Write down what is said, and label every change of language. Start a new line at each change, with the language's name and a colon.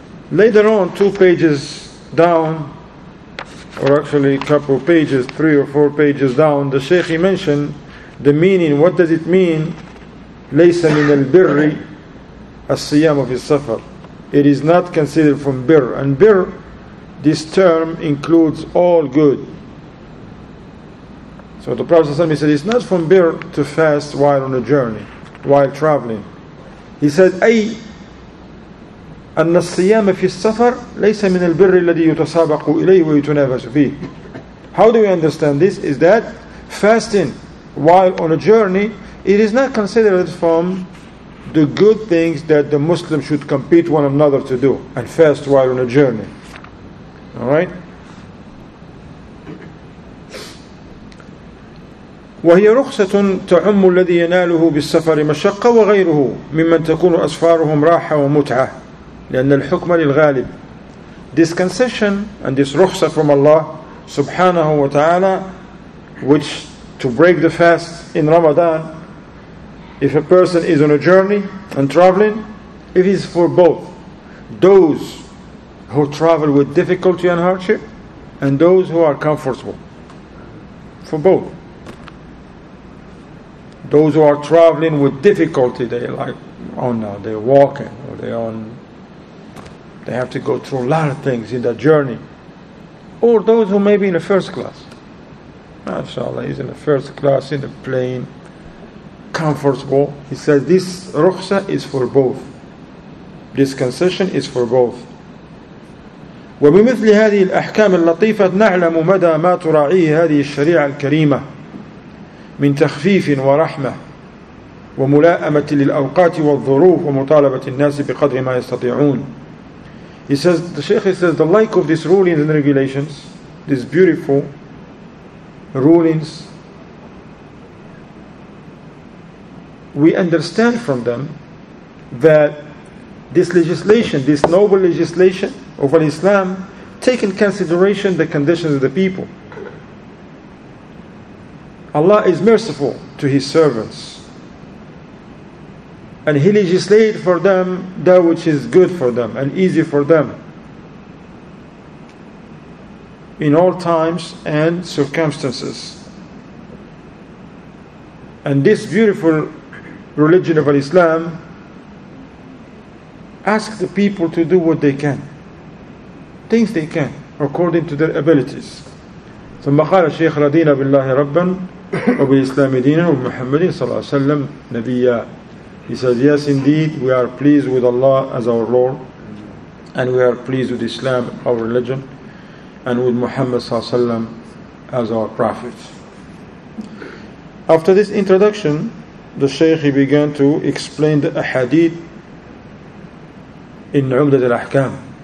English: Later on, two pages down, or actually a couple pages, three or four pages down, the Shaykh mentioned the meaning. What does it mean?
Arabic: ليس من البر الصيام في السفر.
English: It is not considered from birr. And birr, this term includes all good. So the Prophet ﷺ said, it's not from birr to fast while on a journey, while traveling. He said,
Arabic: أي أن الصيام في السفر ليس من البر الذي يتسابق إليه ويتنافس فيه.
English: How do we understand this? Is that fasting while on a journey, it is not considered from the good things that the Muslim should compete one another to do and fast while on a journey. Alright?
Arabic: وهي رخصة تعم الذي يناله بالسفر مشقة وغيره ممن تكون أسفارهم راحة ومتعة لأن الحكم للغالب.
English: This concession and this رخصة from Allah
Arabic: سبحانه وتعالى,
English: which to break the fast in Ramadan, if a person is on a journey and traveling, it is for both those who travel with difficulty and hardship and those who are comfortable. For both. Those who are traveling with difficulty, they like, oh no, they're walking, or they have to go through a lot of things in that journey. Or those who may be in the first class. MashaAllah, he's in the first class, in the plane, comfortable. He says this rukhsa is for both. This concession is for both.
Arabic: وبمثل هذه الأحكام اللطيفة نعلم مدى ما تراعي هذه الشريعة الكريمة من تخفيف ورحمة وملائمة للأوقات والظروف ومطالبة الناس بقدر ما يستطيعون.
English: He says, the Shaykh says, the like of these rulings and regulations, these beautiful rulings, we understand from them that this legislation, this noble legislation of Al-Islam, take in consideration the conditions of the people. Allah is merciful to His servants, and He legislated for them that which is good for them and easy for them in all times and circumstances. And this beautiful religion of Islam asks the people to do what they can, things they can, according to their abilities.
Arabic: ثم قال الشيخ رضينا بالله ربا وبالإسلام دينا وبمحمد صلى الله عليه وسلم نبيا.
English: He says, yes, indeed, we are pleased with Allah as our Lord, and we are pleased with Islam, our religion, and with Muhammad sallallahu alaihi wasallam as our prophet. After this introduction, the Shaykh, he began to explain the ahadith in Umdat al-Ahkam.